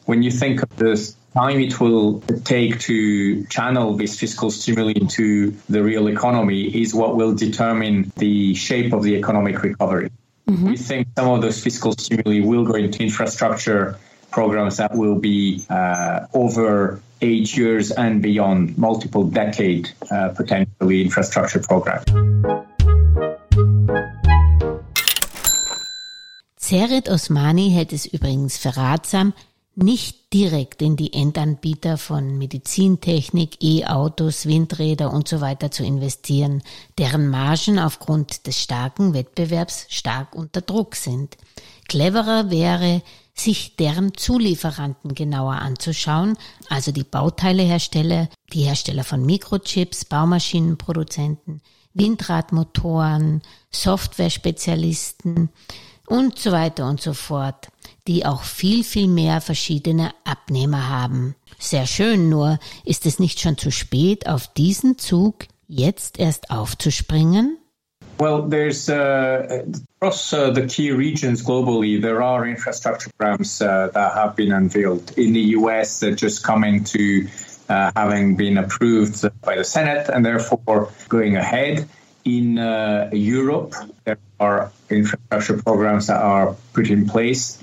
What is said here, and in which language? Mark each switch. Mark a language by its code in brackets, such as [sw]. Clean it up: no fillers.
[en] When you think of the time it will take to channel this fiscal stimuli into the real economy is what will determine the shape of the economic recovery. Mm-hmm. We think some of those fiscal stimuli will go into infrastructure programs that will be over 8 years and beyond, multiple decade potentially infrastructure programs. [de] Serit Osmani hält es übrigens für ratsam, nicht direkt in die Endanbieter von Medizintechnik, E-Autos, Windräder und so weiter zu investieren, deren Margen aufgrund des starken Wettbewerbs stark unter Druck sind. Cleverer wäre, sich deren Zulieferanten genauer anzuschauen, also die Bauteilehersteller, die Hersteller von Mikrochips, Baumaschinenproduzenten, Windradmotoren, Softwarespezialisten und so weiter und so fort, die auch viel, viel mehr verschiedene Abnehmer haben. Sehr schön, nur ist es nicht schon zu spät, auf diesen Zug jetzt erst aufzuspringen? [en] Well, there's across the key regions globally, there are infrastructure programs that have been unveiled. In the US, they're just coming to having been approved by the Senate and therefore going ahead. In Europe, there are infrastructure programs that are put in place.